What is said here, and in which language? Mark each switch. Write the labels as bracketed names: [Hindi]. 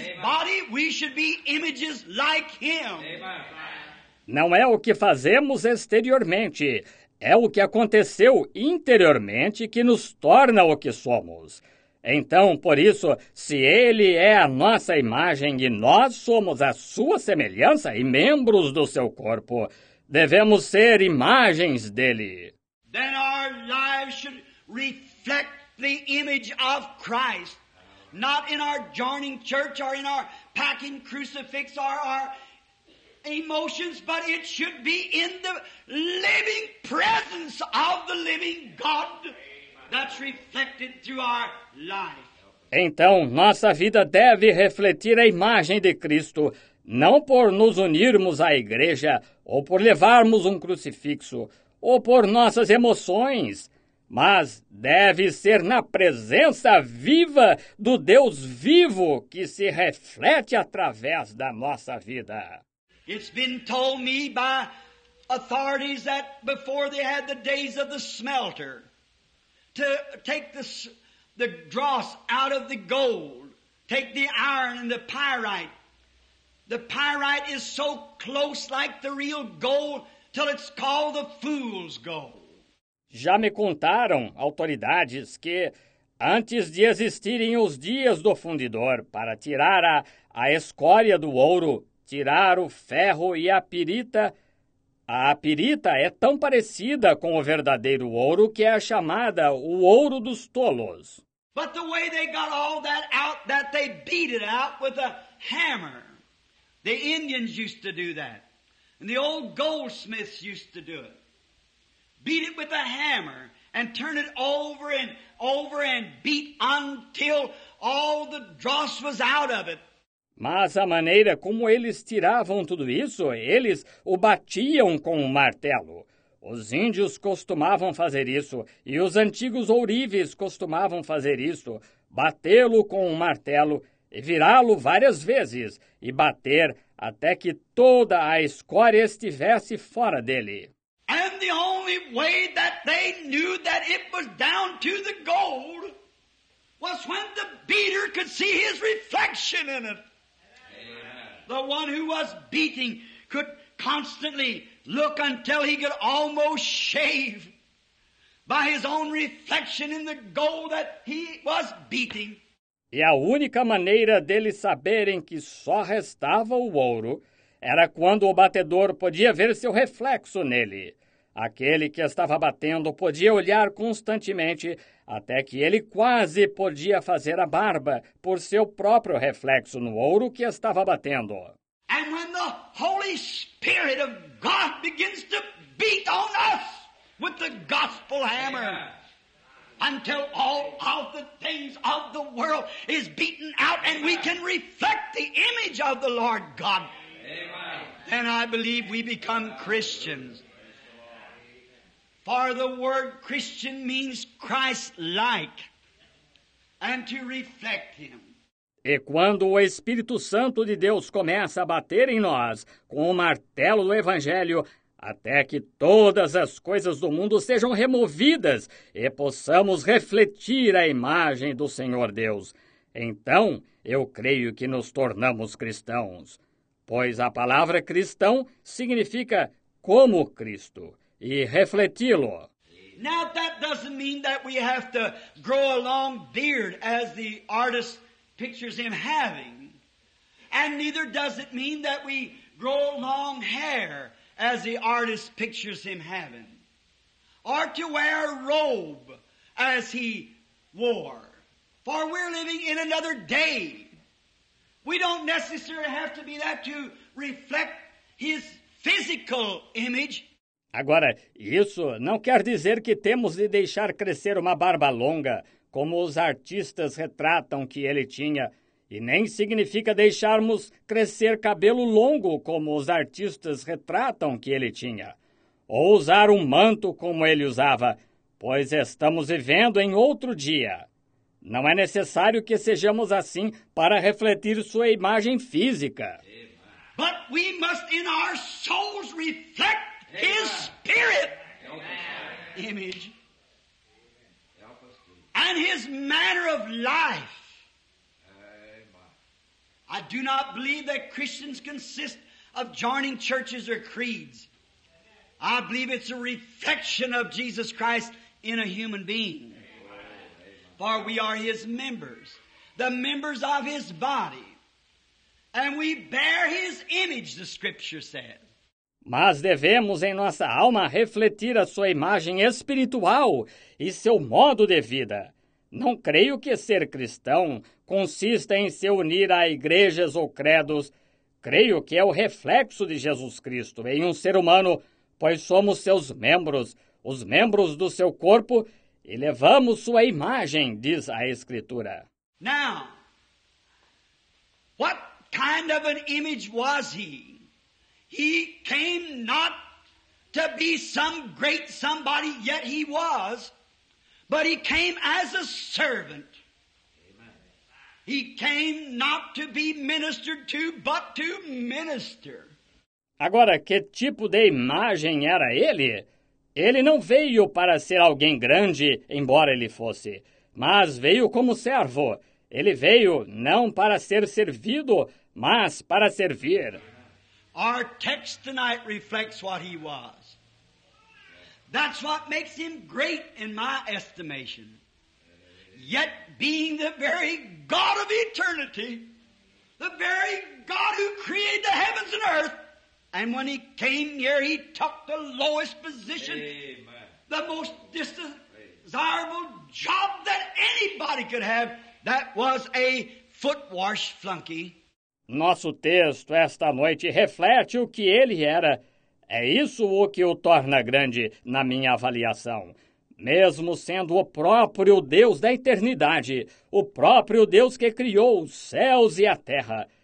[English] Amen. Body, we should be images like him. Amen. [Portuguese] Não é o que fazemos exteriormente, é o que aconteceu interiormente que nos torna o que somos. Então, por isso, se ele é a nossa imagem e nós somos a sua semelhança e membros do seu corpo, devemos ser imagens dele. [English] Then our lives should reflect the image of Christ, not in our joining church or in our packing crucifix or our emotions, but it should be in the living presence of the living God that's reflected through our life. [Portuguese] Então, nossa vida deve refletir a imagem de Cristo, não por nos unirmos à igreja, ou por levarmos um crucifixo, ou por nossas emoções, mas deve ser na presença viva do Deus vivo que se reflete através da nossa vida. [English] It's been told me by authorities that before they had the days of the smelter, to take the dross out of the gold, take the iron and the pyrite. The pyrite is so close like the real gold till it's called the fool's gold. [Portuguese] Já me contaram autoridades que antes de existirem os dias do fundidor para tirar a escória do ouro, tirar o ferro e a pirita é tão parecida com o verdadeiro ouro que é chamada o ouro dos tolos. [English] But the way they got all that out, that they beat it out with a hammer. The Indians used to do that. And the old goldsmiths used to do it. Beat it with a hammer and turn it over and over and beat until all the dross was out of it. [Portuguese] Mas a maneira como eles tiravam tudo isso, eles o batiam com um martelo. Os índios costumavam fazer isso e os antigos ourives costumavam fazer isso, batê-lo com um martelo e virá-lo várias vezes e bater até que toda a escória estivesse fora dele. [English] And the only way that they knew that it was down to the gold was when the beater could see his reflection in it. The one who was beating could constantly look until he could almost shave by his own reflection in the gold that he was beating. [Portuguese] E a única maneira deles saberem que só restava o ouro era quando o batedor podia ver seu reflexo nele. Aquele que estava batendo podia olhar constantemente até que ele quase podia fazer a barba por seu próprio reflexo no ouro que estava batendo. [English] And when the Holy Spirit of God begins to beat on us with the gospel hammer, until all of the things of the world is beaten out and we can reflect the image of the Lord God, then I believe we become Christians. For the word Christian means Christ-like, and to reflect him. [Portuguese] E quando o Espírito Santo de Deus começa a bater em nós com o martelo do Evangelho, até que todas as coisas do mundo sejam removidas e possamos refletir a imagem do Senhor Deus, então eu creio que nos tornamos cristãos. Pois a palavra cristão significa como Cristo. E refleti-lo. [English] Now that doesn't mean that we have to grow a long beard as the artist pictures him having. And neither does it mean that we grow long hair as the artist pictures him having. Or to wear a robe as he wore. For we're living in another day. We don't necessarily have to be that to reflect his physical image. [Portuguese] Agora, isso não quer dizer que temos de deixar crescer uma barba longa, como os artistas retratam que ele tinha, e nem significa deixarmos crescer cabelo longo, como os artistas retratam que ele tinha, ou usar um manto como ele usava, pois estamos vivendo em outro dia. Não é necessário que sejamos assim para refletir sua imagem física. [English] But we must in our souls reflect His spirit image and his manner of life. I do not believe that Christians consist of joining churches or creeds. I believe it's a reflection of Jesus Christ in a human being. For we are his members, the members of his body. And we bear his image, the scripture says. [Portuguese] Mas devemos em nossa alma refletir a sua imagem espiritual e seu modo de vida. Não creio que ser cristão consista em se unir a igrejas ou credos. Creio que é o reflexo de Jesus Cristo em um ser humano, pois somos seus membros, os membros do seu corpo, e levamos sua imagem, diz a Escritura. [English] Now, what kind of an image was he? He came not to be some great somebody, yet he was, but he came as a servant. Amen. He came not to be ministered to, but to minister. [Portuguese] Agora, que tipo de imagem era ele? Ele não veio para ser alguém grande, embora ele fosse, mas veio como servo. Ele veio não para ser servido, mas para servir. [English] Our text tonight reflects what he was. That's what makes him great in my estimation. Yet being the very God of eternity, the very God who created the heavens and earth, and when he came here, he took the lowest position, Amen. The most desirable job that anybody could have, that was a foot wash flunky. [Portuguese] Nosso texto esta noite reflete o que ele era. É isso o que o torna grande, na minha avaliação. Mesmo sendo o próprio Deus da eternidade, o próprio Deus que criou os céus e a terra.